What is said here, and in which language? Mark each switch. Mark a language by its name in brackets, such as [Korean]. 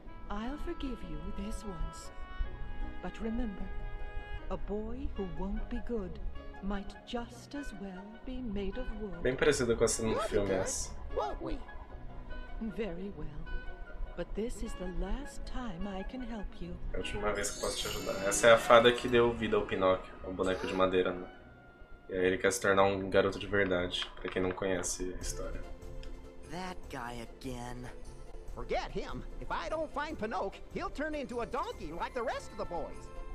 [English] I'll forgive you this once. But remember, a boy who won't be good might just as well be made of wood. [Portuguese] Bem parecido com essa no filme, yes. [English] Won't we? Very well. But this is the last time I can help you. [Portuguese] É a última vez que posso te ajudar. Essa é a fada que deu vida ao Pinóquio, ao boneco de madeira, né? E aí ele quer se tornar um garoto de verdade, pra quem não conhece a história. [English] That guy again. Forget him. If I don't find Pinocchio, he'll turn into a donkey like the rest of the boys.